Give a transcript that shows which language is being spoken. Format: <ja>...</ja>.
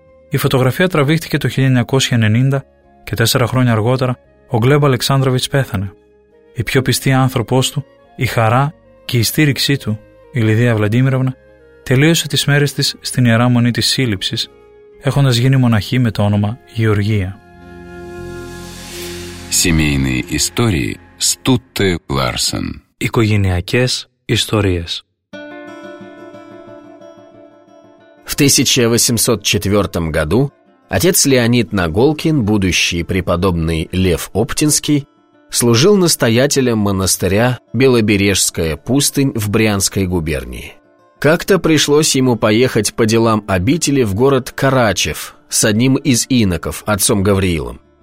<el>Η φωτογραφία τραβήχτηκε το 1990 και 4 χρόνια αργότερα ο Γκλέμπ Αλεξάνδραβιτς πέθανε. Η πιο πιστή άνθρωπός του, η χαρά και η στήριξή του, η Λιδία Βλαντίμυραυνα, τελείωσε τις μέρες της στην Ιερά Μονή της Σύλληψης, έχοντας γίνει μοναχή με το όνομα Γεωργία.</el> <ru>Семейные истории Стутте Ларсен.</ru> <el>Οικογενειακές ιστορίες.</el> <ru>В 1804 году отец Леонид Наголкин, будущий преподобный Лев Оптинский, служил настоятелем монастыря Белобережская пустынь в Брянской губернии. Как-то пришлось ему поехать по делам обители в город Карачев с одним из иноков, отцом Гавриилом.</ru>